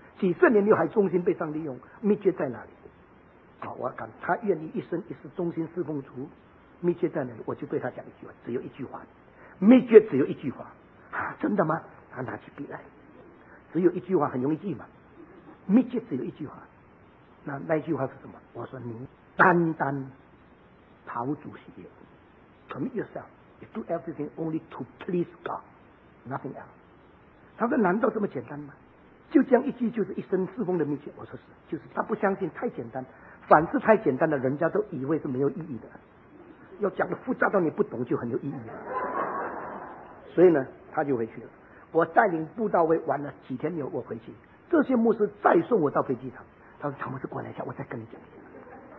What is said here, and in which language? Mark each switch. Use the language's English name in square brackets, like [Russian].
[Chinese] 几十年又还忠心被上帝用，秘诀在哪里？好，我敢他愿意一生一世忠心侍奉主，秘诀在哪里？我就对他讲一句话，只有一句话，秘诀只有一句话啊！真的吗？他拿起笔来，只有一句话很容易记嘛，秘诀只有一句话，那句话是什么？我说你单单讨主喜悦 [English] commit yourself you do everything only to please God nothing else。 [Chinese] 他说难道这么简单吗？就这样一句就是一生侍奉的秘诀？我说是，就是他不相信太简单，凡事太简单的人家都以为是没有意义的，要讲的复杂到你不懂就很有意义了。所以呢他就回去了。我带领布道会玩了几天以后我回去，这些牧师再送我到飞机场，他说唐牧师过来一下我再跟你讲一下。